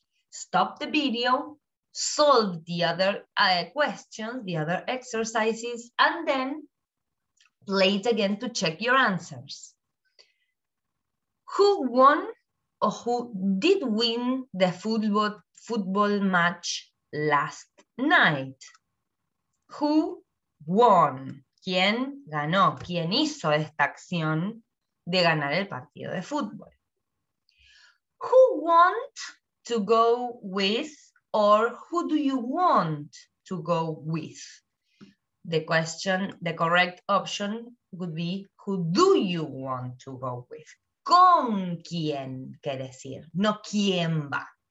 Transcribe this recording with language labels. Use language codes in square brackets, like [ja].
[en] Stop the video, solve the other questions, the other exercises, and then play it again to check your answers. Who won or who did win the football match last night? Who won? [es] ¿Quién ganó? ¿Quién hizo esta acción de ganar el partido de fútbol? [en] Who want to go with or who do you want to go with? The question, the correct option would be who do you want to go with? [es] ¿Con quién quiere decir? No, ¿quién va?